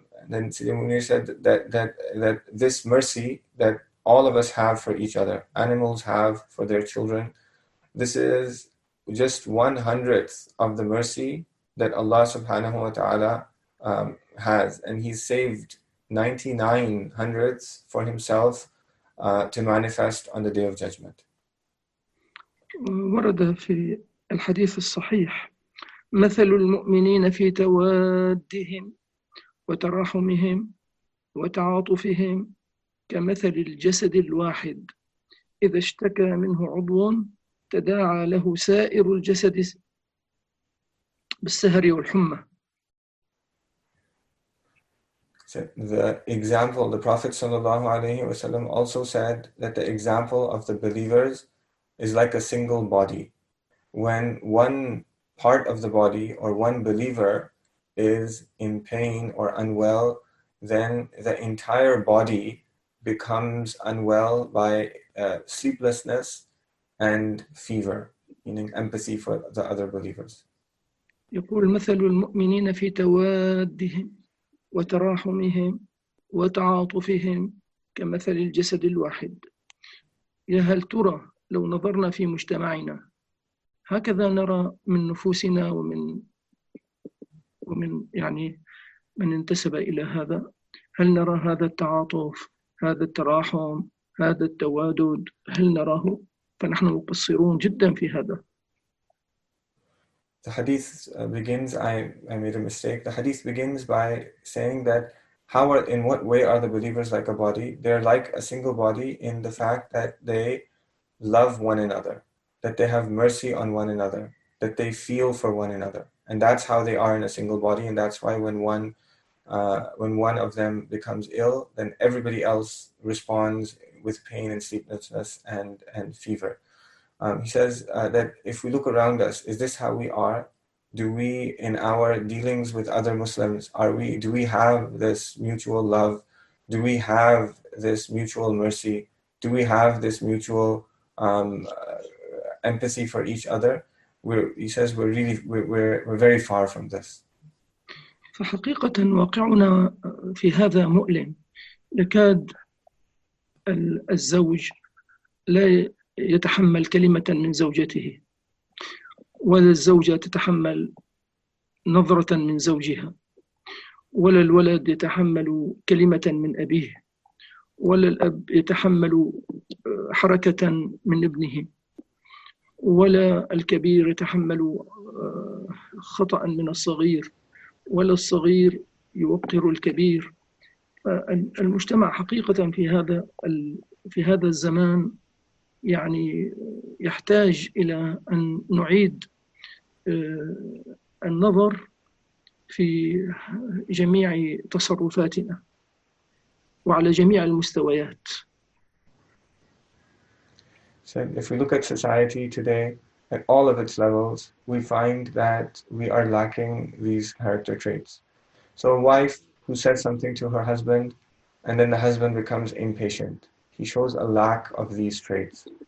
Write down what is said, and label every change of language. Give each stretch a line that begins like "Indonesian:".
English: Then Sidi Munir said that this mercy that all of us have for each other, animals have for their children, this is just 100th of the mercy that Allah
Arabic: subhanahu wa ta'ala
English: has. And he's saved 99 hundredths for himself to manifest on the Day of Judgment.
Arabic: ورد في الحديث الصحيح مثل المؤمنين في توادهم وتراحمهم وتعاطفهم كمثل الجسد الواحد، إذا اشتكى منه عضو تداعى له سائر الجسد بالسهر والحمى.
English: So the example, the Prophet
Arabic: sallallahu alaihi wasallam
English: also said that the example of the believers is like a single body. When one part of the body or one believer is in pain or unwell, then the entire body becomes unwell by sleeplessness and fever, meaning empathy for the other believers.
Arabic: يقول مثل المؤمنين في توادهم وتراحمهم وتعاطفهم كمثل الجسد الواحد. يا هل ترى لو نظرنا في مجتمعنا هكذا نرى من نفوسنا ومن يعني من انتسب إلى هذا، هل نرى هذا التعاطف، هذا التراحم، هذا التوادد، هل نراه؟ فنحن مقصرون جدا في هذا.
English: The hadith begins, I made a mistake. The hadith begins by saying that in what way are the believers like a body? They're like a single body in the fact that they love one another, that they have mercy on one another, that they feel for one another. And that's how they are in a single body. And that's why when one of them becomes ill, then everybody else responds with pain and sleeplessness and fever. He says that if we look around us, is this how we are? Do we, in our dealings with other Muslims, do we have this mutual love? Do we have this mutual mercy? Do we have this mutual empathy for each other? He says we're very far from this.
Arabic: فحقيقة واقعنا في هذا مؤلم. يكاد الزوج لا يتحمل كلمة من زوجته، ولا الزوجة تتحمل نظرة من زوجها، ولا الولد يتحمل كلمة من أبيه، ولا الأب يتحمل حركة من ابنه، ولا الكبير يتحمل خطأ من الصغير، ولا الصغير يوقر الكبير. المجتمع حقيقة في هذا الزمان يعني يحتاج إلى أن نعيد النظر في جميع تصرفاتنا وعلى جميع المستويات.
English: So if we look at society today, at all of its levels, we find that we are lacking these character traits. So a wife who says something to her husband, and then the husband becomes impatient, he shows a lack of these traits.